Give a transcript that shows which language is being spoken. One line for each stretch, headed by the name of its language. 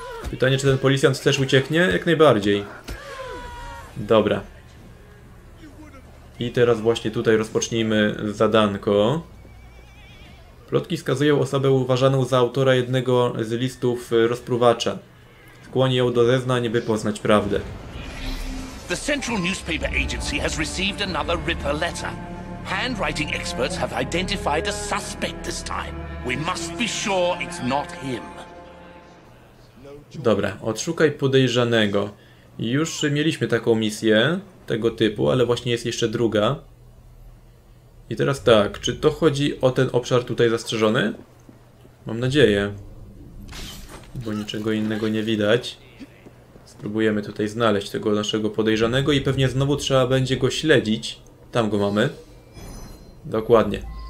Polish: Pytanie, czy ten policjant też ucieknie? Jak najbardziej. Dobra. I teraz właśnie tutaj rozpocznijmy zadanko. Plotki wskazują osobę uważaną za autora jednego z listów rozpruwacza. Skłoni ją do zeznań, by poznać prawdę.
English: The Central Newspaper Agency has received another Ripper letter. Handwriting experts have identified a suspect this time. We must be sure it's not him.
Polish: Dobra, odszukaj podejrzanego. Już mieliśmy taką misję tego typu, ale właśnie jest jeszcze druga. I teraz tak, czy to chodzi o ten obszar tutaj zastrzeżony? Mam nadzieję. Bo niczego innego nie widać. Spróbujemy tutaj znaleźć tego naszego podejrzanego i pewnie znowu trzeba będzie go śledzić. Tam go mamy. Dokładnie.